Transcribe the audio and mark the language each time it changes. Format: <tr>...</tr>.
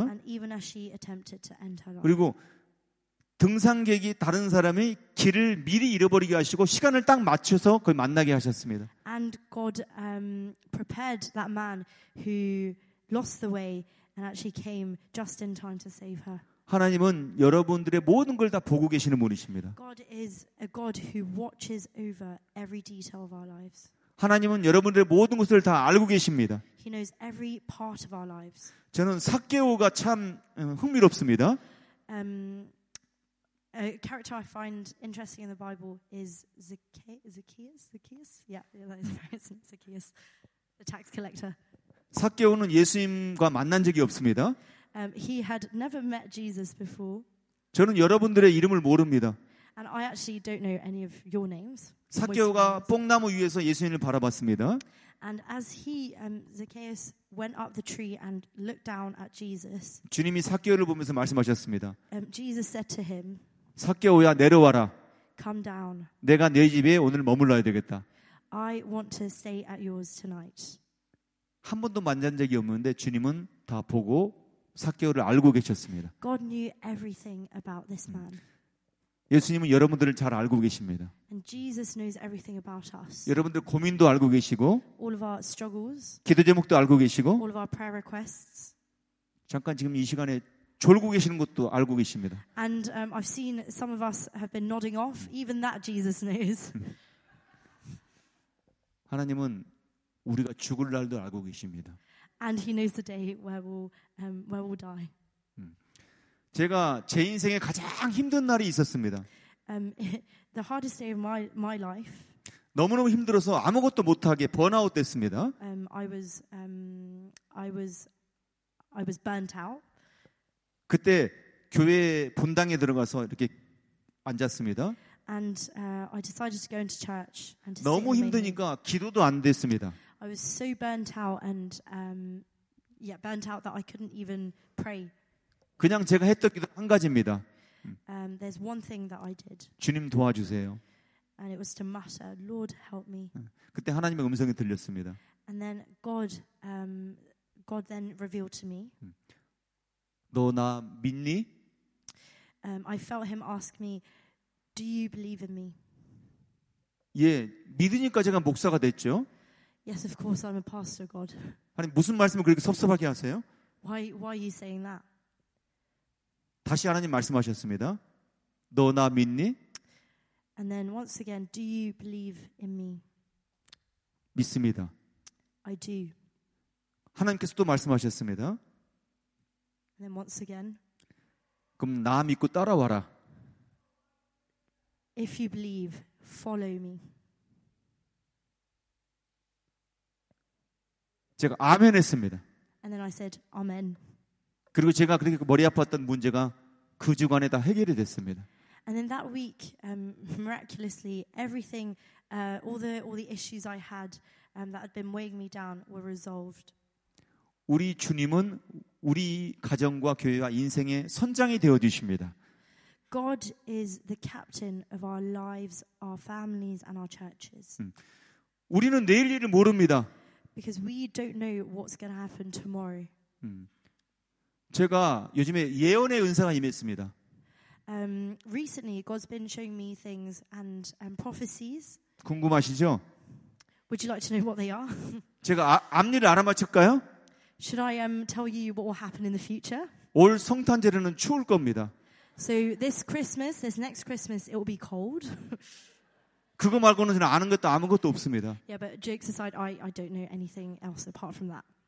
<en>And even as she attempted to end her life.</en> <ko>그리고 등산객이 다른 사람이 길을 미리 잃어버리게 하시고 시간을 딱 맞춰서 그 만나게 하셨습니다.</ko> <en>And God prepared that man who lost the way and actually came just in time to save her.</en> <ko>하나님은 여러분들의 모든 걸 다 보고 계시는 분이십니다.</ko> <en>God is a God who watches over every detail of our lives.</en> <ko>하나님은 여러분들의 모든 것을 다 알고 계십니다.</ko> <en>He knows every part of our lives.</en> <ko>저는 삭개오가 참 흥미롭습니다.</ko> <en>A character I find interesting in the Bible is Zacchaeus. Zacchaeus, the tax collector.</en> <ko>삭개오는 예수님과 만난 적이 없습니다.</ko> <en>He had never met Jesus before.</en> <ko>저는 여러분들의 이름을 모릅니다.</ko> <en>And I actually don't know any of your names.</en> <ko>삭개오가 뽕나무 위에서 예수님을 바라봤습니다.</ko> <en>And as he Zacchaeus went up the tree and looked down at Jesus.</en> <ko>주님이 삭개오를 보면서 말씀하셨습니다.</ko> <en>Jesus said to him.</en> <ko>삭개오야 내려와라.</ko> <en>Come down.</en> <ko>내가 네 집에 오늘 머물러야 되겠다.</ko> <en>I want to stay at yours tonight.</en> <ko>한 번도 만난 적이 없는데 주님은 다 보고 삭개오를 알고 계셨습니다.</ko> <en>God knew everything about this man.</en> <ko>예수님은 여러분들을 잘 알고 계십니다.</ko> <en>And Jesus knows everything about us.</en> <ko>여러분들 고민도 알고 계시고</ko> <en>All of our struggles.</en> <ko>기도 제목도 알고 계시고</ko> <en>All of our prayer requests.</en> <ko>잠깐 지금 이 시간에 졸고 계시는 것도 알고 계십니다.</ko> <en>And I've seen some of us have been nodding off. Even that Jesus knows.</en> <ko>하나님은 우리가 죽을 날도 알고 계십니다.</ko> <en>And he knows the day where we'll die.</en> <ko>제가 제 인생에 가장 힘든 날이 있었습니다.</ko> <en>The hardest day of my life.</en> <ko>너무너무 힘들어서 아무것도 못 하게 번아웃 됐습니다.</ko> <en>I was burnt out.</en> <ko>그때 교회 본당에 들어가서 이렇게 앉았습니다.</ko> <en>And I decided to go into church and to</en> <ko>너무 힘드니까</ko> <en>meeting.</en> <ko>기도도 안 됐습니다.</ko> <en>I was so burnt out and yeah, burnt out that I couldn't even pray.</en> <ko>그냥 제가 했던 기도 한 가지입니다.</ko> <en>There's one thing that I did.</en> <ko>주님 도와주세요.</ko> <en>And it was to mutter, Lord, help me.</en> <ko>그때 하나님의 음성이 들렸습니다.</ko> <en>And then God, God then revealed to me.</en> <ko>너 나 믿니?</ko> <en>I felt Him ask me, Do you believe in me?</en> <ko>예, 믿으니까 제가 목사가 됐죠.</ko> <en>Yes, of course, I'm a pastor, God.</en> <ko>아니 무슨 말씀을 그렇게 섭섭하게 하세요?</ko> <en>Why are you saying that?</en> <ko>다시 하나님 말씀하셨습니다. 너 나 믿니?</ko> <en>And then once again, do you believe in me?</en> <ko>믿습니다.</ko> <en>I do.</en> <ko>하나님께서 또 말씀하셨습니다.</ko> <en>And then once again.</en> <ko>그럼 나 믿고 따라와라.</ko> <en>If you believe, follow me.</en> <ko>제가 아멘 했습니다.</ko> <en>And then I said, Amen.</en> <ko>그리고 제가 그렇게 머리 아팠던 문제가 그 주간에 다 해결이 됐습니다.</ko> <en>And then that week, miraculously, everything, all the issues I had that had been weighing me down were resolved.</en> <ko>우리 주님은 우리 가정과 교회와 인생의 선장이 되어 주십니다.</ko> <en>God is the captain of our lives, our families, and our churches.</en> <ko>우리는 내일 일을 모릅니다.</ko> <en>Because we don't know what's going to happen tomorrow.</en> <ko>제가 요즘에 예언의 은사가 임했습니다.</ko> <en>Recently, God's been showing me things and prophecies.</en> <ko>궁금하시죠?</ko> <en>Would you like to know what they are?</en> <ko>제가 앞일을 알아맞힐까요?</ko> <en>Should I tell you what will happen in the future?</en> <ko>올 성탄절에는 추울 겁니다.</ko> <en>So this Christmas, this next Christmas, it will be cold.</en> <ko>그거 말고는 저는 아는 것도 아무것도 없습니다.</ko> <en>Yeah, but jokes aside, I don't know anything else apart from that.</en>